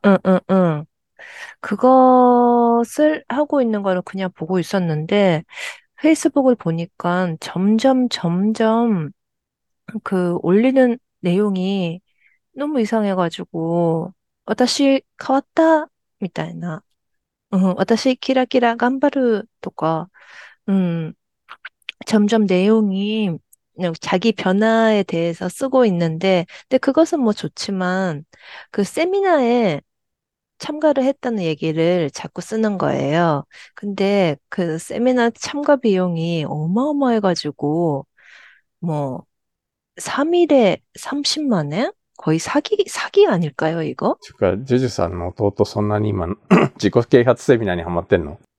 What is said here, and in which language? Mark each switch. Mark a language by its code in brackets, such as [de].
[ko] 응응응응그것을하고있는걸그냥보고있었는데페이스북을보니까점점점점그올리는내용이너무이상해가지고 [ja] 私変わったみたいな私、キラキラ、頑張るとか、 [ko] うん、점점내용이 자기 변화에 대해서 쓰고 있는데, 근데 그것은 뭐 좋지만, 그 세미나에 참가를 했다는 얘기를 자꾸 쓰는 거예요. 근데 그 세미나 참가 비용이 어마어마해가지고, 뭐, 3일에 30만 엔? 거의 사기 아닐까요, 이거? [ja] 제주 さんの弟そんなに今 自己啓発セミナーにハマってんの？